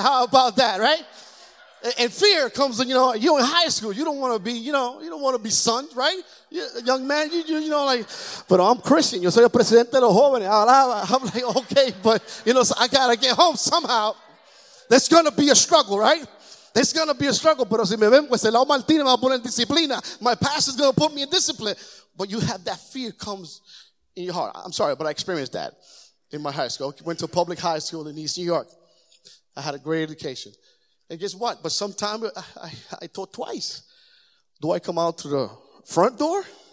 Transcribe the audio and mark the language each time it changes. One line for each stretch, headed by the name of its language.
English: How about that, right? And fear comes, you know, you're in high school. You don't want to be, you know, you don't want to be sunned, right? Young man, you know, like, but I'm Christian.
Spanish: Yo soy el presidente de los jóvenes.
English: I'm like, okay, but, you know, so I got to get home somehow. There's going to be a struggle, right? There's going to be a struggle.
Spanish: Pero si me ven, pues el lado Martín me va a poner en disciplina.
English: My pastor's going to put me in discipline. But you have that fear comes in your heart. I'm sorry, but I experienced that in my high school. I went to a public high school in East New York. I had a great education. And guess what? But sometimes I thought twice. Do I come out to the front door?